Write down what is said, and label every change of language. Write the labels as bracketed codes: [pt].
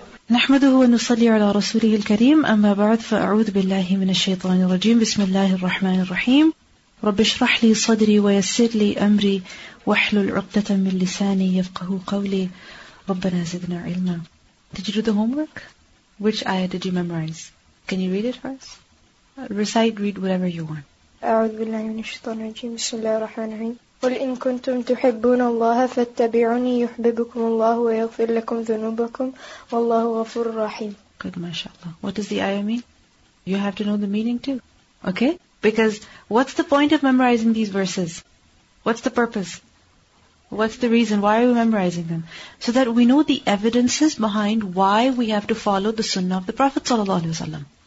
[ar] نحمده ونصلي على رسوله الكريم، اما بعد، فاعوذ بالله من الشيطان الرجيم، بسم الله الرحمن الرحيم. رب اشرح لي صدري ويسر لي امري واحلل عقدة من لساني يفقهوا قولي ربنا زدنا علما. [en] Did you do the homework? Which ayah did you memorize? Can you read it for us? Recite, read whatever you want. [ar] اعوذ بالله من الشيطان الرجيم، بسم الله الرحمن الرحيم. قل إن كنتم تحبون الله فاتبعوني يحببكم الله ويغفر لكم ذنوبكم والله غفور رحيم. [en] Good, mashallah. What does the ayah mean? You have to know the meaning too. Okay? Because what's the point of memorizing these verses? What's the purpose? What's the reason? Why are we memorizing them? So that we know the evidences behind why we have to follow the sunnah of the Prophet sallallahu alaihi wasallam.